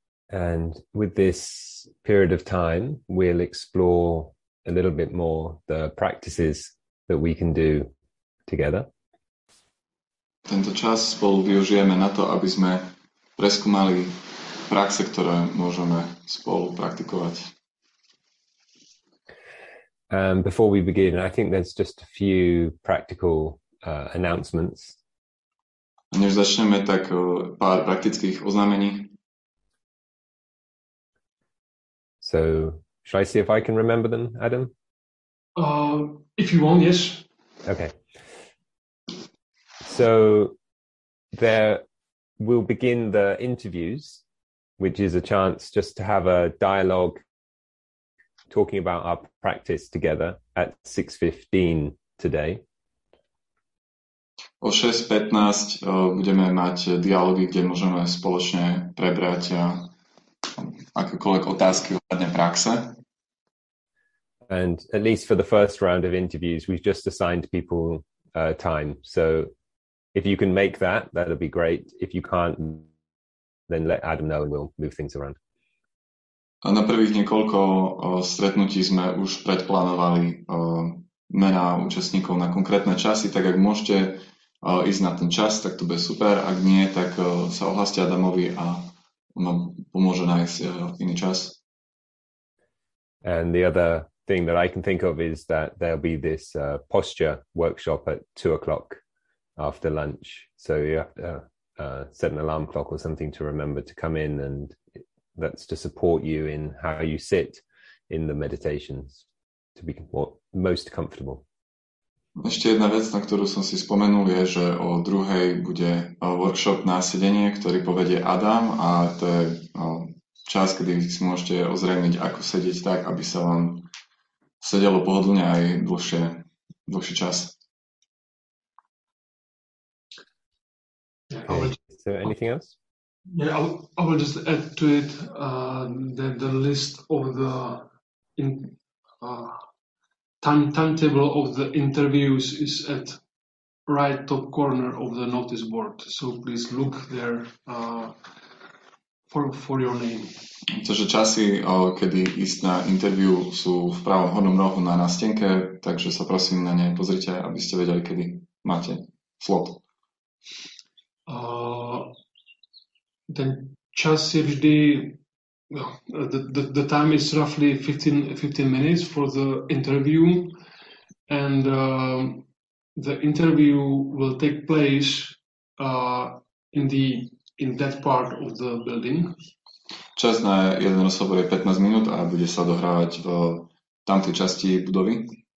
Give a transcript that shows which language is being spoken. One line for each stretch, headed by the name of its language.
English: And with this period of time, we'll explore a little bit more the practices that we can do together.
Slovak: Tento čas spolu využijeme na to, aby sme preskúmali praxe, ktoré môžeme spolu praktikovať.
English: Before we begin, I think there's just a few practical announcements.
Slovak: Než začneme, tak pár praktických oznámení.
English: So, should I see if I can remember them, Adam? If you want, yes. Okay. So, there we'll begin the interviews, which is a chance just to have a dialogue talking about our practice together at 6:15 today.
Slovak: O 6:15 budeme mať dialógy, kde môžeme spoločne prebrať akékoľvek otázky ohľadne praxe.
English: And at least for the first round of interviews, we've just assigned people time. So if you can make that, that'll be great. If you can't, then let Adam know and we'll move things around.
Slovak: A na prvých niekoľko stretnutí sme už predplánovali mená účastníkov na konkrétne časy, tak ak môžete ísť na ten čas, tak to bude super. Ak nie, tak sa ohláste Adamovi a on vám pomôže nájsť iný čas.
English: And the other thing that I can think of is that there'll be this posture workshop at 2 o'clock after lunch. So you have to set an alarm clock or something to remember to come in, and that's to support you in how you sit in the meditations to be most comfortable.
Slovak: Ešte jedna vec, na ktorú som si spomenul, je, že o druhej bude workshop na sedenie, ktorý povedie Adam, a to je čas, kedy si môžete ozrejmiť, ako sedieť tak, aby sa vám sedelo pohodlne aj dlhší čas.
English: Okay. Is there anything else? Yeah, I will just add to it the list of the timetable of the interviews is at right top corner of the notice board. So please look there for your name.
Slovak: Takže časy, kedy ísť na interview, sú v pravom hornom rohu na nástenke, takže sa prosím na ne pozrite, aby ste vedeli, kedy máte slot. Ten čas je vždy,
English: the time is roughly 15 minutes for the interview, and the interview will take place in that part of the building.
Slovak: Čas na jeden rozhovor je 15 minút a bude sa dohrávať v tamtej časti budovy.